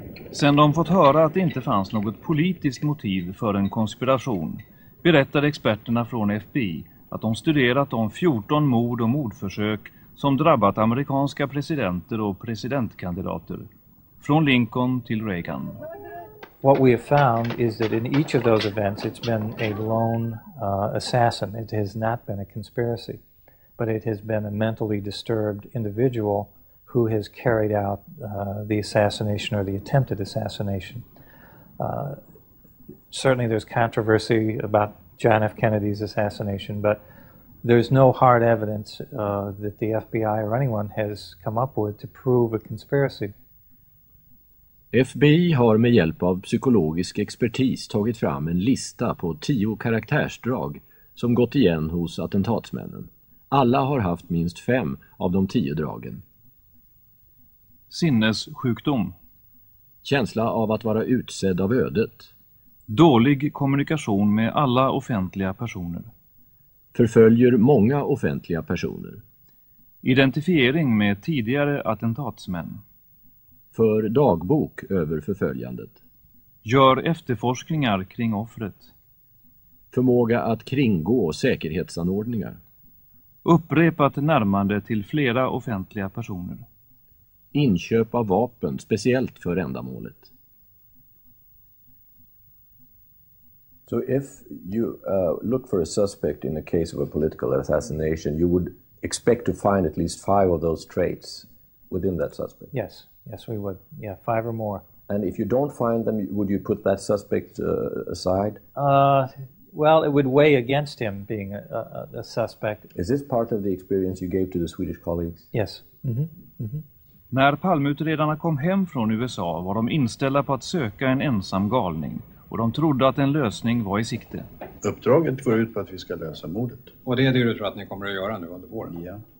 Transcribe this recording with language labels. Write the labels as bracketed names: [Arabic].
[Swedish] Sen de fått höra att det inte fanns något politiskt motiv för en konspiration berättade experterna från FBI att de studerat de 14 mord och mordförsök som drabbat amerikanska presidenter och presidentkandidater, från Lincoln till Reagan. [English] What we have found is that in each of those events it's been a lone assassin. It has not been a conspiracy, but it has been a mentally disturbed individual who has carried out the assassination or the attempted assassination. Certainly there's controversy about John F. Kennedy's assassination, but there's no hard evidence that the FBI or anyone has come up with to prove a conspiracy. [Swedish] FBI har med hjälp av psykologisk expertis tagit fram en lista på 10 karaktärsdrag som gått igen hos attentatsmännen. Alla har haft minst 5 av de 10 dragen. Sinnessjukdom. Känsla av att vara utsedd av ödet. Dålig kommunikation med alla offentliga personer. Förföljer många offentliga personer. Identifiering med tidigare attentatsmän. För dagbok över förföljandet. Gör efterforskningar kring offret. Förmåga att kringgå säkerhetsanordningar. Upprepat närmande till flera offentliga personer. Inköp av vapen speciellt för ändamålet. [English] So if you look for a suspect in a case of a political assassination, you would expect to find at least 5 of those traits within that suspect. Yes. Yes, we would. Yeah, 5 or more. And if you don't find them, would you put that suspect aside? Well, it would weigh against him being a suspect. Is this part of the experience you gave to the Swedish colleagues? Yes. Mm-hmm. [Swedish] När Palmeutredarna kom hem från USA var de inställda på att söka en ensam galning, och de trodde att en lösning var i sikte. Uppdraget går ut på att vi ska lösa mordet. Och det är det du tror att ni kommer att göra nu under våren? Ja.